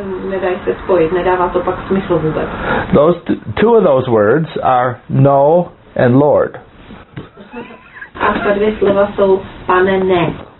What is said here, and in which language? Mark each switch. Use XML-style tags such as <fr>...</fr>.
<cs>Nedá se spojit, nedává to pak smysl vůbec.</cs> <en>Those two of those words are no and Lord.</en> <cs>A ta dvě slova jsou pane ne.</cs>